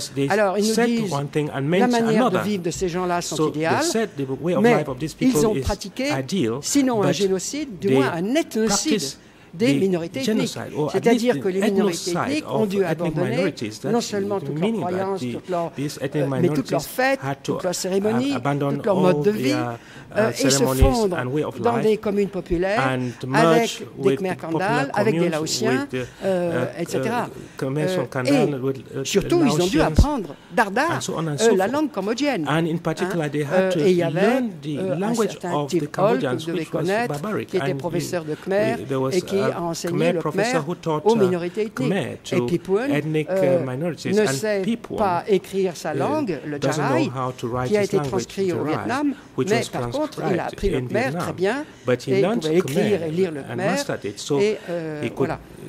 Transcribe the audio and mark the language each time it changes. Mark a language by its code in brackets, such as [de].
[fr] Alors, ils nous disent, la manière de vivre de ces gens-là sont idéales, mais ils ont pratiqué, sinon un génocide, du moins un ethnocide des minorités ethniques, c'est-à-dire que les minorités ethniques ont dû abandonner non seulement toutes leurs croyances, mais toutes leurs fêtes, toutes leurs cérémonies, tout leur mode de vie, et se fondre dans des communes populaires avec des Khmer Kandal, avec des Laotiens, etc. Et surtout, ils ont dû apprendre dardard la langue cambodgienne. [en] And in particular, they had to learn the language of the Cambodians, which was barbaric. [fr] Qui était professeur de Khmer et qui a enseigné le Khmer aux minorités ethniques. Et Pipun ne sait pas écrire sa langue, le Jarai, qui a été transcrit au Vietnam, mais par contre, il a appris le Khmer très bien, et il pouvait écrire et lire le Khmer, et voilà.